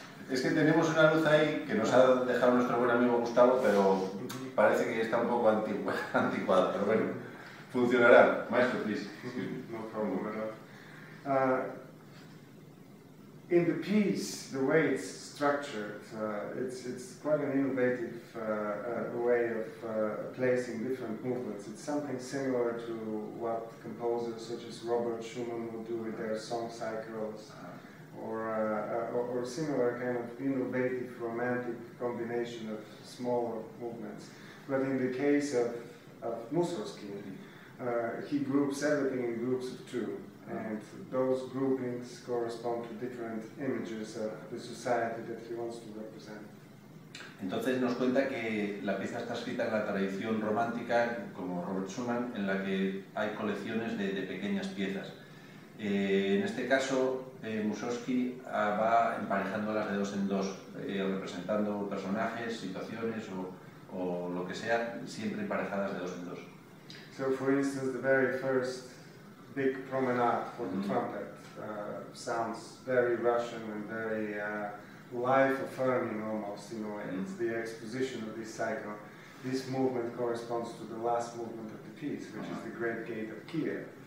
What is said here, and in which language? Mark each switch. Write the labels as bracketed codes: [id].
[es] Es que tenemos una luz ahí que nos ha dejado nuestro buen amigo Gustavo, pero parece que está un poco anticuada, pero bueno, funcionará. [en] Maestro, please. No problem at all. In the piece, the way it's structured, it's quite an innovative way of placing different movements. It's something similar to what composers such as Robert Schumann would do with their song cycles, or similar kind of innovative romantic combination of smaller movements. But in the case of Mussorgsky, he groups everything in groups of two. And those groupings correspond to different images of the society that he wants to represent. [es] Entonces nos cuenta que la pieza está escrita en la tradición romántica, como Robert Schumann, en la que hay colecciones de pequeñas piezas. En este caso, Mussorgsky va emparejándolas de dos en dos, representando personajes, situaciones o lo que sea, siempre emparejadas de dos en dos. [en] So, for instance, the very first big promenade for the trumpet sounds very Russian and very life-affirming almost in a way. It's the exposition of this cycle. This movement corresponds to the last movement of the piece, which is the Great Gate of Kiev.